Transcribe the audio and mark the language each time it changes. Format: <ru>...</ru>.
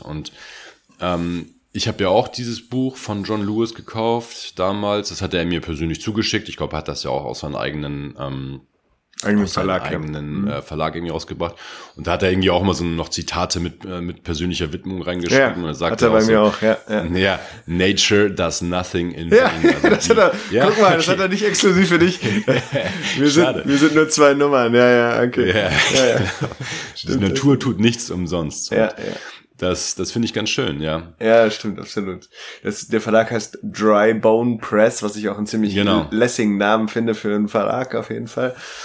<de>Und ich habe ja auch dieses Buch von John Lewis gekauft damals. Das hat er mir persönlich zugeschickt. Ich glaube, er hat das ja auch aus seinem eigenen, Verlag irgendwie rausgebracht. Und da hat er irgendwie auch mal so noch Zitate mit persönlicher Widmung reingeschrieben. Ja, und er sagt, hat er bei mir auch, ja.</de> <en>Ja, nature does nothing in vain.</en> <de>Ja, also das hat er, ja? Guck mal, das hat er nicht exklusiv für dich. Wir sind nur zwei Nummern, okay. Ja. Die Natur tut nichts umsonst. Ja, ja. Das finde ich ganz schön, ja. Ja, stimmt, absolut. Der Verlag heißt Dry Bone Press, was ich auch einen ziemlich lässigen Namen finde für einen Verlag auf jeden Fall.</de>